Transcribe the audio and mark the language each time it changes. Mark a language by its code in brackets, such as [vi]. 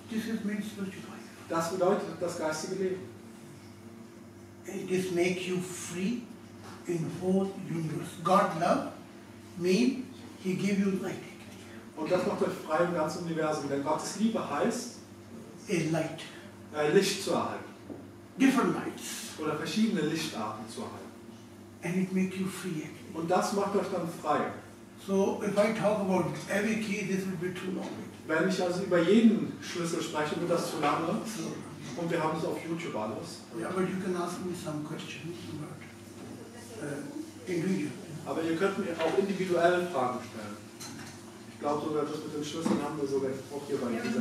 [en] This is means spiritual life. [de] Das bedeutet das geistige Leben. [en] It is make you free in whole universe. God love means he give you light. [de] Und das macht euch frei im ganzen Universum, denn Gottes Liebe heißt [en] a light. [de] Licht zu erhalten. [en] Different lights. [de] Oder verschiedene Lichtarten zu erhalten. [en] And it make you free again. [de] Und das macht euch dann frei. [en] So if I talk about every key, this will be too long. [de] Wenn ich also über jeden Schlüssel spreche, wird das zu lange. Und wir haben es auf YouTube alles. [en] Yeah, but you can ask me some questions about individual. [de] Aber ihr könnt mir auch individuelle Fragen stellen. Ich glaube sogar, das mit den Schlüsseln haben wir sogar auch hier bei dieser.